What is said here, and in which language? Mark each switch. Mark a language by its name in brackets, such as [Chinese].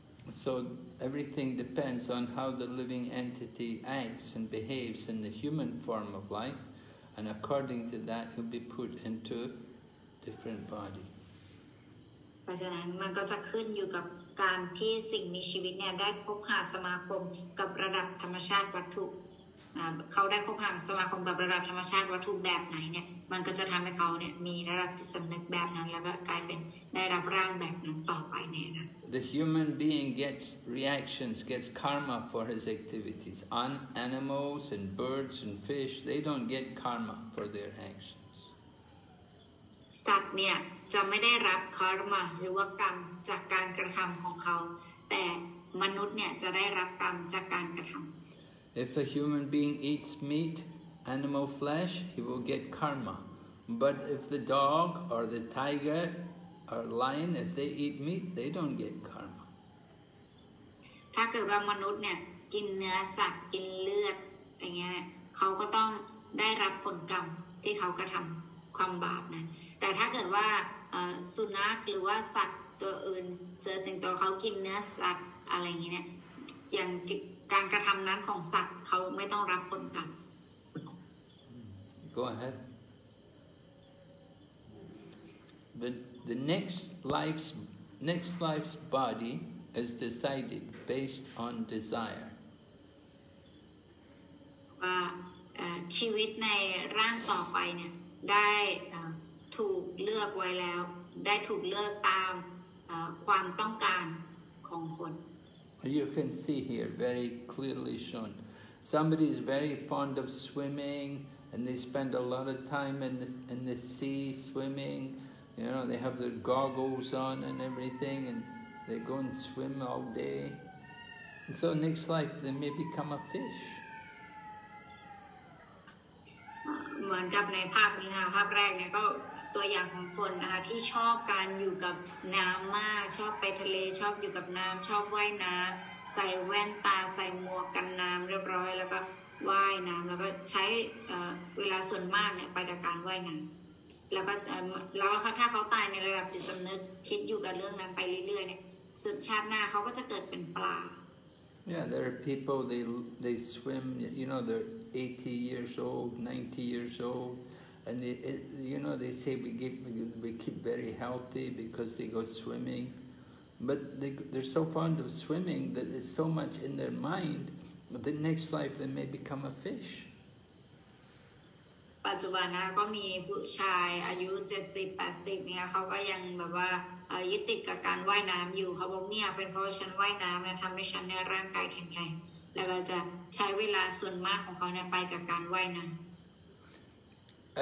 [English] So everything depends on how the living entity acts and behaves in the human form of life, and according to that, he'll be put into a different body. [Thai] เพราะฉะนั้นมันก็จะขึ้นอยู่กับการที่สิ่งมีชีวิตเนี่ยได้พบหาสมาคมกับระดับธรรมชาติวัตถุเขาได้พบหาสมาคมกับระดับธรรมชาติวัตถุแบบไหนเนี่ยมันก็จะทำให้เขาเนี่ยมีระดับจิตสำนึกแบบนั้นแล้วก็กลายเป็นได้รับร่างแบบนั้นต่อไปเนี่ยนะ [English] The human being gets reactions, gets karma for his activities. On animals and birds and fish, they don't get karma for their actions. [Thai] สัตว์เนี่ยจะไม่ได้รับคาร์มาหรือว่ากรรมจากการกระทำของเขาแต่มนุษย์เนี่ยจะได้รับกรรมจากการกระทำ [English] If a human being eats meat, animal flesh, he will get karma. But if the dog or the tigerOr lion, if they eat meat, they don't get karma. [Thai] ถ้าเกิดว่ามนุษย์เนี่ยกินเนื้อสัตว์กินเลือดอย่างเงี้ยเขาก็ต้องได้รับผลกรรมที่เขากระทำความบาปนะแต่ถ้าเกิดว่าสุนัขหรือว่าสัตว์ตัวอื่นเสือสิงโตเขากินเนื้อสัตว์อะไรอย่างเงี้ยอย่าง การกระทำนั้นของสัตว์เขาไม่ต้องรับผลกรรม [English] Go ahead. The next life's body is decided based on desire. [Thai] ว่าชีวิตในร่างต่อไปเนี่ยได้ถูกเลือกไว้แล้วได้ถูกเลือกตามความต้องการของคน [English] You can see here very clearly shown. Somebody is very fond of swimming, and they spend a lot of time in the sea swimming. You know, they have their goggles on and everything, and they go and swim all day. And so next life, they may become a fish. [Thai] เหมือนกับในภาพนี้นะภาพแรกเนี่ยก็ตัวอย่างของคนนะคะที่ชอบการอยู่กับน้ำมากชอบไปทะเลชอบอยู่กับน้ำชอบว่ายน้ำใส่แว่นตาใส่หมวกกันน้ำเรียบร้อยแล้วก็ว่ายน้ำแล้วก็ใช้เวลาส่วนมากเนี่ยไปจากการว่ายน้ำแล้วก็ถ้าเขาตายในระดับจิตสำนึกคิดอยู่กับเรื่องนั้นไปเรื่อยๆเนี่ยสุดชาติหน้าเขาก็จะเกิดเป็นปลา [English] Yeah there are people they swim you know they're 80 years old 90 years old and they say we keep very healthy because they go swimming but they're so fond of swimming that there's so much in their mindThe next life, they may become a fish. [Thai] ปัจจุบันนะก็มีผู้ชายอายุ70-80เนี่ยเขาก็ยังแบบว่ายึดติดกับการว่ายน้ำอยู่เขาบอกเนี่ยเป็นเพราะฉันว่ายน้ำนะทำให้ฉันเนี่ยร่างกายแข็งแรงแล้วก็จะใช้เวลาส่วนมากของเขาเนี่ยไปกับการว่ายน้ำ